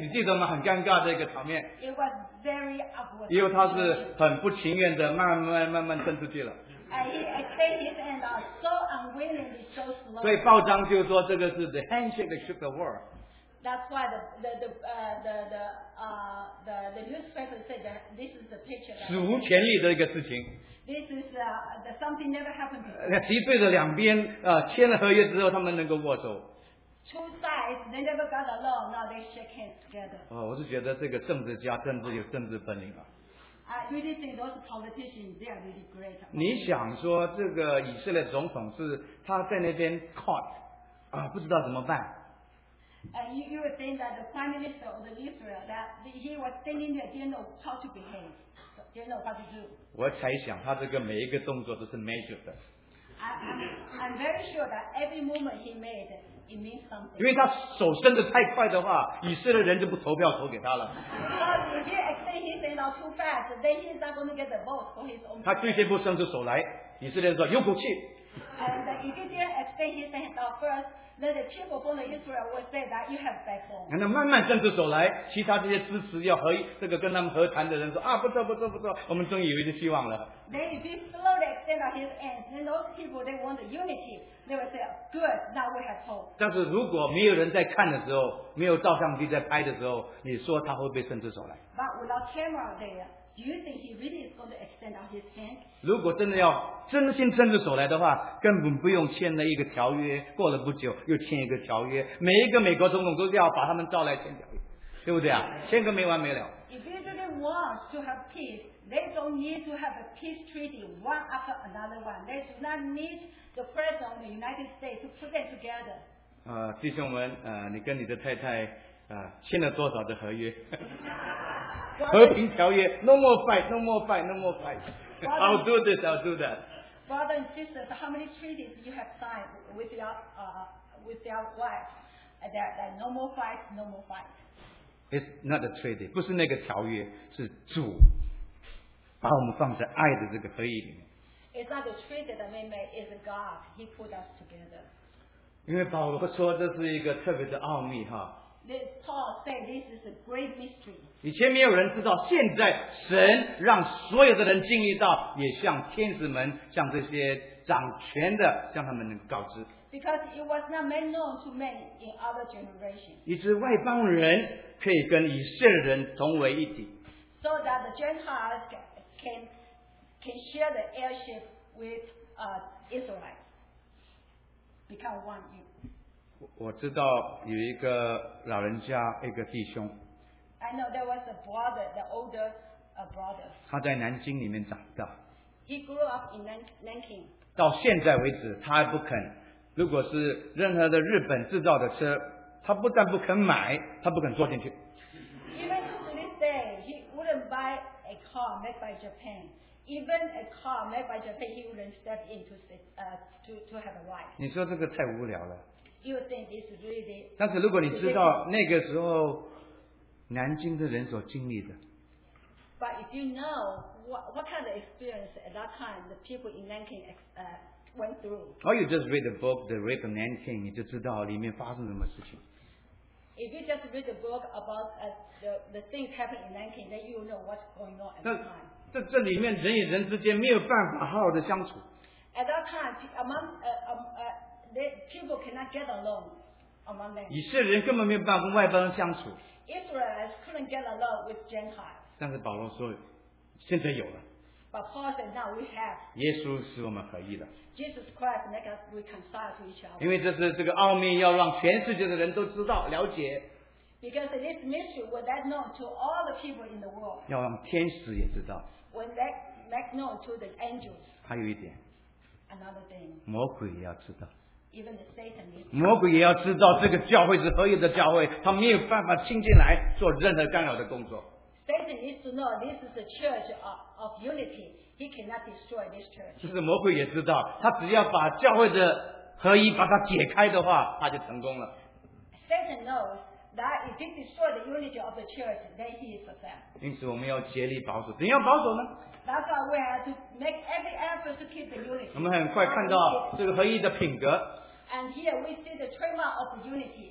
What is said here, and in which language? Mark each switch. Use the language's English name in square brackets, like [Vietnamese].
[Chinese] 你记得吗？很尴尬的一个场面。 [English] It was very awkward. [Chinese] 因为他是很不情愿的慢慢伸出去了。 [English] And he extended his hand out so unwillingly, so slowly. So the handshake that shook the world. That's why the newspaper said that this is the picture. [Chinese] 史无前例的一个事情. [English] This is something never happened before. [Chinese] 敌对的两边签了合约之后，他们能够握手。 [English] Two sides, they never got along. Now they shake hands together. [Chinese] 哦，我是觉得这个政治家政治有政治本领啊。 [English] I really think those politicians, they are really great. [Chinese] 不知道怎么办。 [English] You would think that the Prime Minister of Israel, that he was standing there, didn't know how to behave, didn't know what to do. [Chinese] 我猜想他这个每一个动作都是measured的。 [English] I'm very sure that every movement he made, it means something. [Chinese] 因为他手伸得太快的话，以色列人就不投票投给他了。 [English] If he extends his hand out too fast, then he's not going to get the vote for his own. [Chinese] 他最先不伸出手来，以色列人说有骨气。 [English] And if he didn't extend his hand out first, then the people from Israel would say that you have backbone. [Chinese] 那慢慢伸出手来，其他这些支持要和这个跟他们和谈的人说啊，不错，我们终于有一些希望了。 [English] Then if he slowly extend out his hands, then those people they want the unity. They would say, good, now we have hope. [Chinese] 但是如果没有人在看的时候，没有照相机在拍的时候，你说他会不会伸出手来？ [English] But without camera there, Do you think he really is going to extend out his hand? [Chinese] 如果真的要真心伸出手来的话，根本不用签了一个条约，过了不久又签一个条约，每一个美国总统都要把他们召来签条约，对不对啊？签个没完没了。 [English] If they really want to have peace, they don't need to have a peace treaty one after another one. They do not need the President of the United States to put them together. [Chinese] 弟兄们，你跟你的太太签了多少的合约？和平条约 [English] ，No more fight, no more fight, no more fight. I'll do this, I'll do that. Brother and sisters, how many treaties you have signed with your wife? That no more fight, no more fight. It's not a treaty, [Chinese] 不是那个条约，是主把我们放在爱的这个合一里面。 [English] It's not a treaty that we made, it's God. He put us together. 因为保罗说这是一个特别的奥秘哈。 This Paul said this is a great mystery. Because it was not made known to men in other generations. [Chinese] 以致外邦人可以跟以色列人同为一体。 [English] So that the Gentiles can share the heirship with Israelites. Become one in. [Chinese] 我知道有一个老人家，一个弟兄。 [English] I know there was a brother, the older brother. [Chinese] 他在南京里面长大。 [English] He grew up in Nanking. [Chinese] 到现在为止，他还不肯。如果是任何的日本制造的车，他不但不肯买，他不肯坐进去。 [English] Even to this day, he wouldn't buy a car made by Japan. Even a car made by Japan, he wouldn't step in to have a ride. [Chinese] 你说这个太无聊了。 [English] You think it's really. [Chinese] 但是如果你知道那个时候南京的人所经历的。 [English] But if you know what kind of experience at that time the people in Nanking went through. Or you just read the book The Rape of Nanking, [Chinese] 你就知道里面发生什么事情。 [English] If you just read the book about the things happening in Nanking, then you know what's going on at the time. [Chinese] 这里面人与人之间没有办法好好的相处。 [English] At that time, people cannot get along among them. [Chinese] 以色列人根本没有办法跟外邦人相处。 [English] Israelites couldn't get along with Gentiles. [Chinese] 但是保罗说，现在有了。 [English] But Paul said, now we have. [Chinese] 耶稣使我们合一了。 [English] Jesus Christ makes us reconcile to each other. [Chinese] 因为这个奥秘要让全世界的人都知道了解。 [English] Because this mystery was that known to all the people in the world. [Chinese] 要让天使也知道。 [English] When that make known to the angels. [Chinese] 还有一点。 [English] Another thing. [Chinese] 魔鬼也要知道。 [English] Even the Satan. [Chinese] 魔鬼也要知道这个教会是合一的教会，他没有办法亲进来做任何干扰的工作。 [English] Satan needs to know this is a church of unity. He cannot destroy this church. [Chinese] 就是魔鬼也知道，他只要把教会的合一把它解开的话，他就成功了。 [English] Satan knows. That if he destroys the unity of the church, then he is a failure. [Chinese] 因此，我们要竭力保守。怎样保守呢 [English] ？That's why we have to make every effort to keep the unity. [Chinese] 我们很快看到这个合一的品格。 [English] And here we see the trademark of unity.